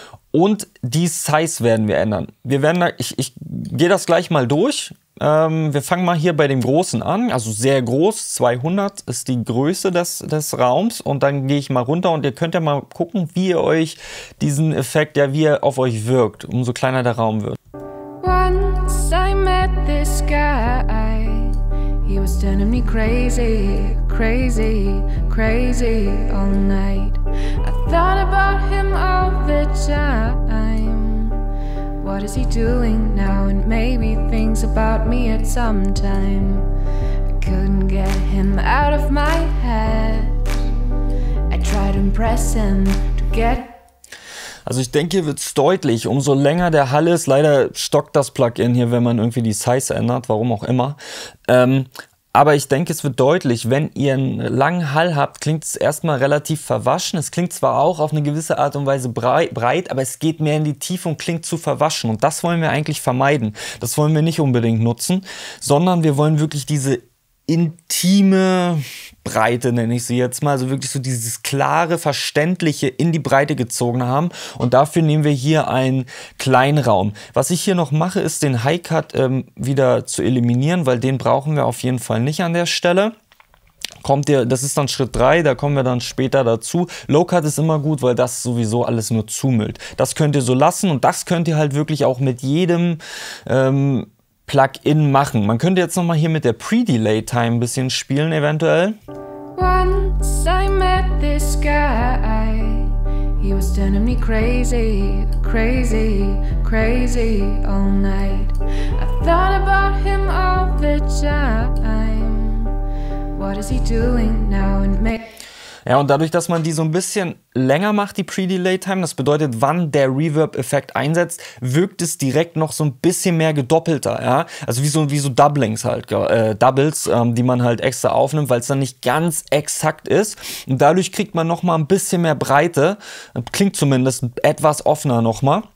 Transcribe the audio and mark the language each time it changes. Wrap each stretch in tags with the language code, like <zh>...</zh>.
<de>Und die Size werden wir ändern. Wir werden da, ich gehe das gleich mal durch. Wir fangen mal hier bei dem Großen an, also sehr groß, 200 ist die Größe des Raums und dann gehe ich mal runter und ihr könnt ja mal gucken, wie ihr euch diesen Effekt, ja wie er auf euch wirkt, umso kleiner der Raum wird.</de> <en>Once I met this guy, he was turning me crazy, crazy, crazy all night. I thought about him all the time. What is he doing now? And maybe thinks about me at some time. I couldn't get him out of my head. I tried to impress him to get.</en> <de>Also ich denke, hier wird es deutlich, umso länger der Hall ist, leider stockt das Plugin hier, wenn man irgendwie die Size ändert, warum auch immer. Aber ich denke, es wird deutlich, wenn ihr einen langen Hall habt, klingt es erstmal relativ verwaschen. Es klingt zwar auch auf eine gewisse Art und Weise breit, aber es geht mehr in die Tiefe und klingt zu verwaschen. Und das wollen wir eigentlich vermeiden. Das wollen wir nicht unbedingt nutzen, sondern wir wollen wirklich diese intime Breite, nenne ich sie jetzt mal, also wirklich so dieses klare, verständliche in die Breite gezogen haben. Und dafür nehmen wir hier einen Kleinraum. Was ich hier noch mache, ist den High-Cut wieder zu eliminieren, weil den brauchen wir auf jeden Fall nicht an der Stelle. Kommt ihr, das ist dann Schritt 3, da kommen wir dann später dazu. Low-Cut ist immer gut, weil das sowieso alles nur zumüllt. Das könnt ihr so lassen und das könnt ihr halt wirklich auch mit jedem Plugin machen. Man könnte jetzt nochmal hier mit der Pre-Delay-Time ein bisschen spielen eventuell.</de> <en>Once I met this guy, he was turning me crazy, crazy, crazy all night. I thought about him all the time. What is he doing now in May?</en> <de>Ja, und dadurch, dass man die so ein bisschen länger macht, die Pre-Delay-Time, das bedeutet, wann der Reverb-Effekt einsetzt, wirkt es direkt noch so ein bisschen mehr gedoppelter, ja. Also wie so Doublings halt, die man halt extra aufnimmt, weil es dann nicht ganz exakt ist. Und dadurch kriegt man nochmal ein bisschen mehr Breite, klingt zumindest etwas offener nochmal.</de>